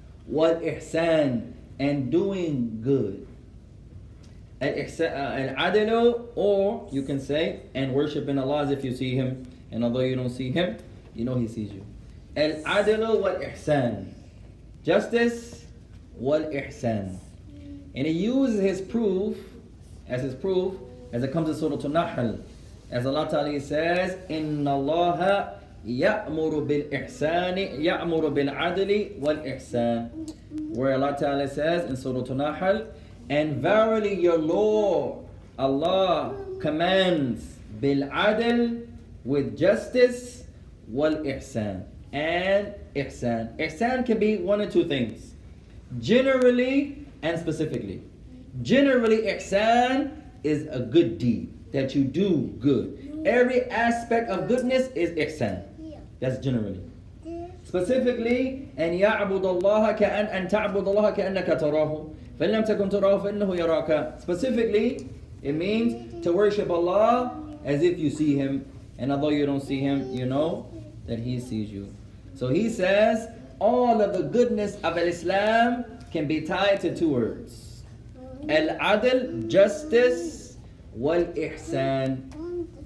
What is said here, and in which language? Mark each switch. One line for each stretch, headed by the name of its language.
English: وَالْإِحْسَان, and doing good. Al-adlu, or you can say, and worshiping Allah as if you see Him, and although you don't see Him, you know He sees you. Al-adlu wal-ihsan, justice wal-ihsan. And he uses his proof, as it comes in Surah An-Nahl. As Allah Ta'ala says,
Arabic: إِنَّ اللَّهَ يَأْمُرُ بِالْإِحْسَانِ يَأْمُرُ بِالْعَدْلِ وَالْإِحْسَانِ.
English: Where Allah Ta'ala says in Surah An-Nahl, and verily your Lord, Allah, commands بِالْعَدْل, with justice, وَالْإِحْسَان, and إِحْسَان. إِحْسَان can be one of two things, generally and specifically. Generally, إِحْسَان is a good deed, that you do good. Every aspect of goodness is إِحْسَان. That's generally. Specifically,
Arabic: أَنْ يَعْبُدَ اللَّهَ كَأَنْ أَنْ تَعْبُدَ اللَّهَ كَأَنَّكَ تَرَاهُ فَلَمْ تَكُنْ تَرَاهُ فَإِنَّهُ يَرَاكَ.
English: Specifically, it means to worship Allah as if you see Him. And although you don't see Him, you know that He sees you. So He says, all of the goodness of Islam can be tied to two words. Al-Adl, justice, wal-Ihsan.